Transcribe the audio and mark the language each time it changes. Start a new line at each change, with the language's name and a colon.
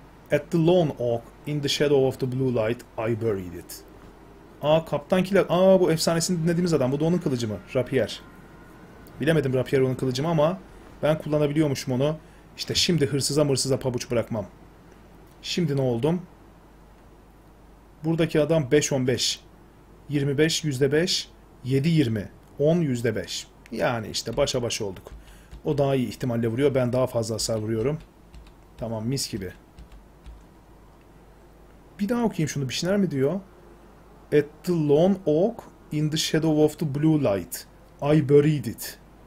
English: At the lone oak in the shadow of the blue light I buried it.
Turkish: Aa, kaptan killer. Aa, bu efsanesini dinlediğimiz adam. Bu da onun kılıcı mı?
English: Rapier. Bilemedim rapier
Turkish: onun kılıcı mı ama ben kullanabiliyormuşum onu. İşte şimdi hırsıza mırsıza pabuç bırakmam. Şimdi ne oldum? Buradaki adam 5-15. 25 %5. 7-20. 10 %5. Yani işte başa baş olduk. O daha iyi ihtimalle vuruyor. Ben daha fazla hasar vuruyorum. Tamam, mis gibi. Bir daha okuyayım şunu. Bir şeyler mi diyor?
English: At the lone oak in the shadow of the blue light I buried it.